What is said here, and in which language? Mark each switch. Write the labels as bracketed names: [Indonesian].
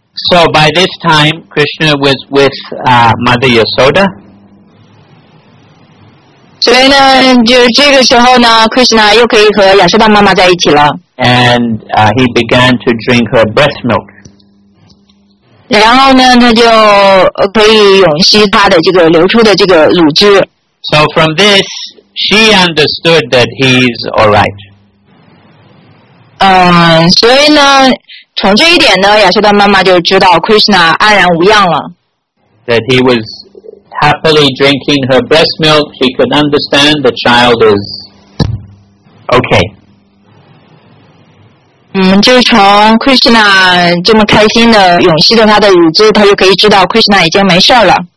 [English] So by this time Krishna was with Mother Yasoda [Chinese] 所以呢就这个时候呢 Krishna 又可以和亚瑟达妈妈在一起了 [English] And he began to drink her breast milk [Chinese] 然后呢他就可以用吸他的这个流出的这个乳汁 [English] So from thisShe understood that he's all right. [Chinese] 所以呢，从这一点呢，亚修达妈妈就知道 Krishna 安然无恙了。 [English] That he was happily drinking her breast milk, she could understand the child is okay. [Chinese] 嗯，就从 Krishna 这么开心的涌吸着他的乳汁，他就可以知道 Krishna 已经没事了。